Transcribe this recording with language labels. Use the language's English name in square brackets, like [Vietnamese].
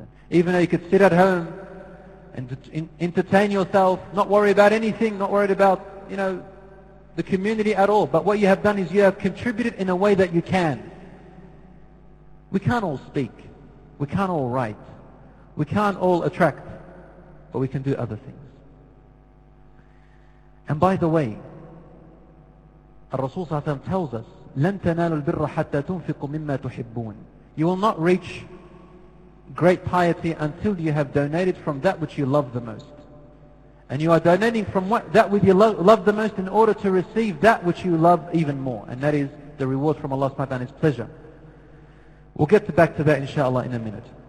[English] Even though you could sit at home and entertain yourself, not worry about anything, not worried about, you know, the community at all. But what you have done is you have contributed in a way that you can. We can't all speak. We can't all write. We can't all attract. But we can do other things. And by the way, Rasul ﷺ tells us, [Arabic] لَن تَنَالُوا الْبِرَّ حَتَّى تُنْفِقُوا مِمَّا تُحِبُّونَ. [English] You will not reach great piety until you have donated from that which you love the most. And you are donating from what that which you love the most in order to receive that which you love even more. And that is the reward from Allah subhanahu wa ta'ala, his pleasure. We'll get back to that inshaAllah in a minute.